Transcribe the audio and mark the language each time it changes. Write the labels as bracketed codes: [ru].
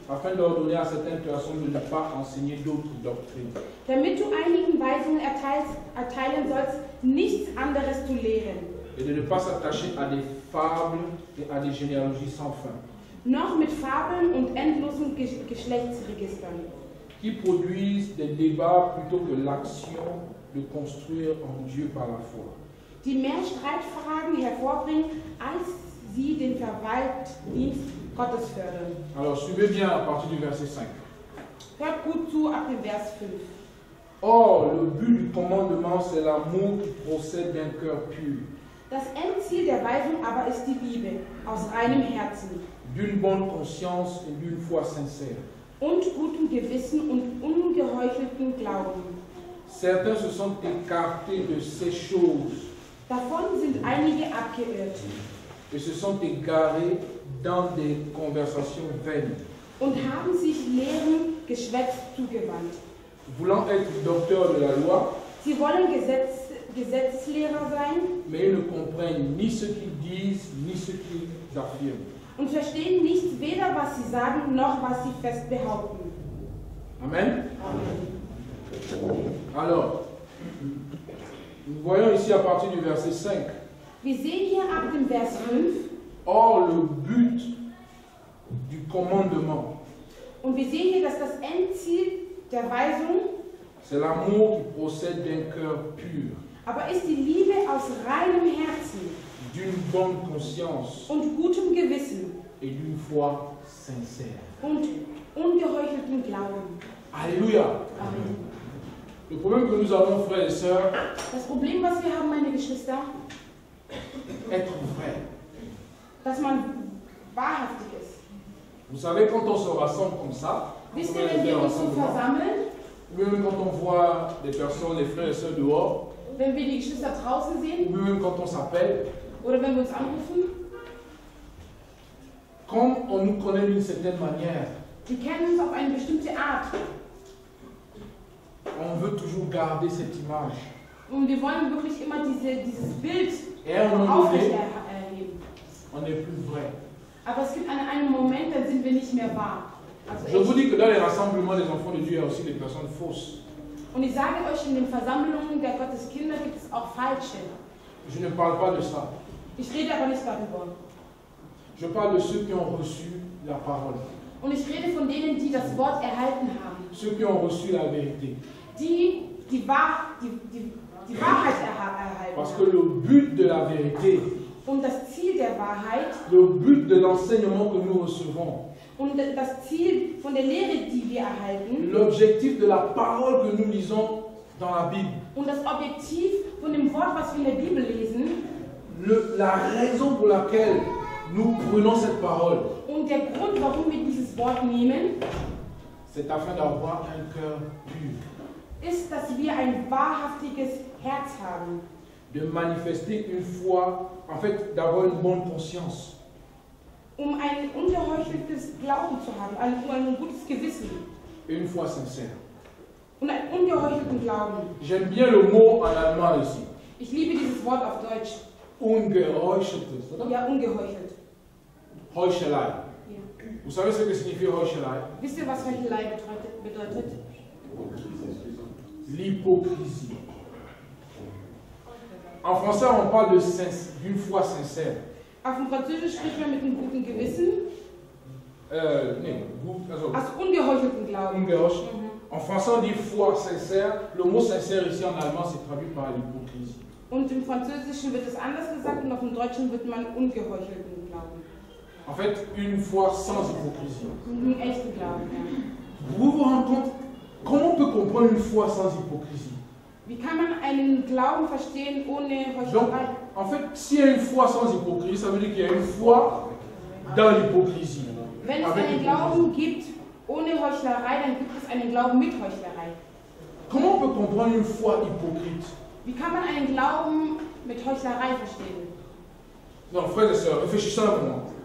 [fr] Afin d'ordonner à certaines personnes de ne pas enseigner d'autres doctrines. [de] Damit du einigen Weisungen erteilen sollst, nichts anderes zu lehren. [fr] Et de ne pas s'attacher à des fables et à des généalogies sans fin. [de] Noch mit Fabeln und endlosen Geschlechtsregistern. [fr] Qui produisent des débats plutôt que l'action de construire en Dieu par la foi. [de] Die mehr Streitfragen hervorbringen, als sie den Verwaltdienst Gottes fördern. [fr] Alors, suivez bien à partir du verset 5. [de] Hört gut zu ab dem Vers 5. [fr] Or, le but du commandement, c'est l'amour qui procède d'un cœur pur. [de] Das Endziel der Weisung aber ist die Liebe, aus reinem Herzen. [fr] D'une bonne conscience et d'une foi sincère. [de] Und gutem Gewissen und ungeheucheltem Glauben. [fr] Certains se sont écartés de ces choses. [de] Davon sind einige abgeirrt. [fr] Et se sont égarés dans des conversations vaines. [de] Und haben sich leeren Geschwätz zugewandt. [fr] Voulant être docteur de la loi. [de] Sie wollen Gesetzlehrer sein. [fr] Mais ils ne comprennent ni ce qu'ils disent, ni ce qu'ils affirment. [de] und verstehen nicht weder, was sie sagen, noch was sie fest behaupten. [fr] Amen. [de] Amen. [fr] Alors, nous voyons ici à partir du verset 5. [de] Wir sehen hier ab dem Vers 5. [fr] Or, le but du commandement. [de] Und wir sehen hier, dass das Endziel der Weisung, [fr] c'est l'amour qui procède d'un cœur pur. [de] Aber ist die Liebe aus reinem Herzen, [fr] d'une bonne conscience, [de] und gutem Gewissen, [fr] et d'une foi sincère, [de] und ungeheuchelten Glauben. [fr] Alléluia. [de] Amen. [fr] Le problème que nous avons, frères et sœurs, [de] das Problem, was wir haben, meine Geschwister, [fr] être vrai, [de] dass man wahrhaftig ist. [fr] Vous savez, quand on se rassemble comme ça, [de] wisst ihr, wenn wir uns so versammeln, [fr] ou même quand on voit des personnes, des frères et sœurs dehors, [de] wenn wir die Geschwister draußen sehen, [fr] ou même quand on s'appelle, [de] oder wenn wir uns anrufen, [fr] comme on nous connaît d'une certaine manière, [de] die kennen uns auf eine bestimmte Art, [fr] on veut toujours garder cette image. [de] Und wir wollen wirklich immer dieses Bild [fr] aufrechterhalten. On n'est plus vrai. [de] Aber es gibt an einem Moment, dann sind wir nicht mehr wahr. [fr] Je vous dis que dans les rassemblements des enfants de Dieu, il y a aussi des personnes fausses. [de] Und ich sage euch, in den Versammlungen der Gotteskinder gibt es auch falsche. [fr] Je ne parle pas de ça. [de] Ich rede aber nicht darüber. [fr] Je parle de ceux qui ont reçu la parole. [de] Und ich rede von denen, die das Wort erhalten haben. [fr] Ceux qui ont reçu la vérité. [de] Die Wahrheit erhalten. [fr] Parce que le but de la vérité. [de] Und das Ziel der Wahrheit. [fr] Le but de l'enseignement que nous recevons. [de] Und das Ziel von der Lehre, die wir erhalten. [fr] L'objectif de la parole que nous lisons dans la Bible. [de] Und das Objektiv von dem Wort, was wir in der Bibel lesen. [fr] La raison pour laquelle nous prenons cette parole. [de] Und der Grund, warum wir dieses Wort nehmen. [fr] C'est afin d'avoir un cœur pur. [de] Ist, dass wir ein wahrhaftiges Herz haben. [fr] De manifester une foi, en fait, d'avoir une bonne conscience. [de] Um ein ungeheucheltes Glauben zu haben, ein gutes Gewissen. [fr] Une foi sincère. [de] Und ein ungeheuchelten Glauben. [fr] J'aime bien le mot en allemand ici. [de] Ich liebe dieses Wort auf Deutsch. Ungeheucheltes, oder? Ja, ungeheuchelt. Heuchelei. Ja. [fr] Vous savez ce que signifie heuchelei? [de] Wisst ihr, was Heuchelei bedeutet? [fr] L'hypocrisie. En français, on parle d'une foi sincère. [de] Auf dem Französisch spricht man mit einem guten Gewissen. Also ungeheuchelten Glauben. [fr] Ungeheuchelt. Mm-hmm. En français, on dit foi sincère. Le mot sincère ici en allemand se traduit par l'hypocrisie. [de] Und im Französischen wird es anders gesagt, und auf dem Deutschen wird man ungeheuchelten Glauben. [fr] En fait, une foi sans hypocrisie. [de] Mm-hmm. Echten Glauben, ja. [fr] Vous vous rendez compte, comment on peut comprendre une foi sans hypocrisie? [de] Wie kann man einen Glauben verstehen ohne Heuchelei? [fr] En fait, s'il y a une foi sans hypocrisie, ça veut dire qu'il y a une foi dans l'hypocrisie. [de] Wenn es einen Glauben gibt ohne Heuchelei, dann gibt es einen Glauben mit Heuchelei. [fr] Comment on peut comprendre une foi hypocrite? [de] Wie kann man einen Glauben mit Heuchelei verstehen? [fr] Non, frères et sœurs, réfléchissez un moment.